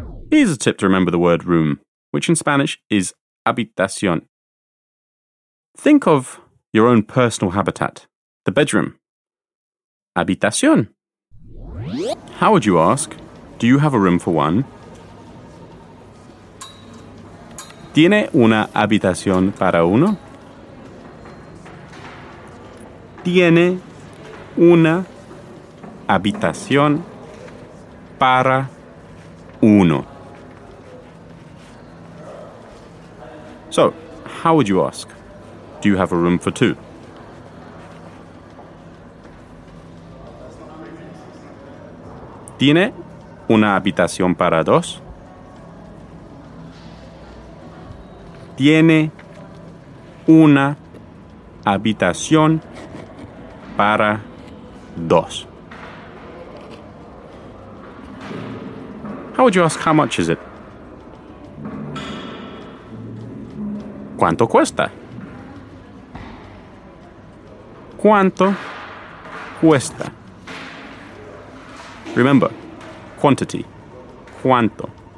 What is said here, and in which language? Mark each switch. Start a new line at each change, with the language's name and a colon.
English: Here's a tip to remember the word room, which in Spanish is habitación. Think of your own personal habitat, the bedroom. Habitación. How would you ask, do you have a room for one?
Spanish: ¿Tiene una habitación para uno? Tiene una habitación para uno.
English: So, how would you ask? Do you have a room for two?
Spanish: ¿Tiene una habitación para dos? ¿Tiene una habitación para dos?
English: How would you ask how much is it?
Spanish: ¿Cuánto cuesta? ¿Cuánto cuesta?
English: Remember, quantity. ¿Cuánto?